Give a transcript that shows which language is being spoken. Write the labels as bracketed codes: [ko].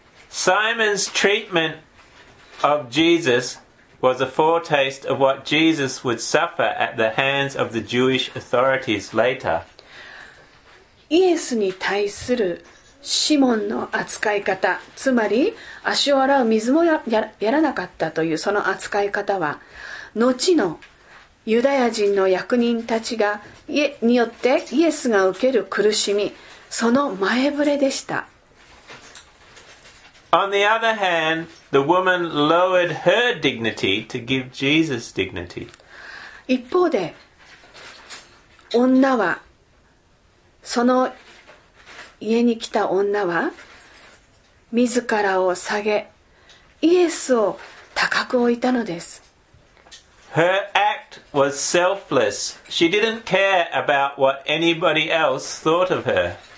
[en] Simon's treatment of Jesus was a foretaste of what Jesus would suffer at the hands of the Jewish authorities later. [ja] イエスに対するシモンの扱い方、つまり足を洗う水もやらなかったというその扱い方は、後のユダヤ人の役人たちがによってイエスが受ける苦しみ、その前触れでした。 [en] On the other hand, the woman lowered her dignity to give Jesus dignity. [ja] 一方で、女は、その家に来た女は、自らを下げ、イエスを高く置いたのです。 [en] Her act was selfless. She didn't care about what anybody else thought of her.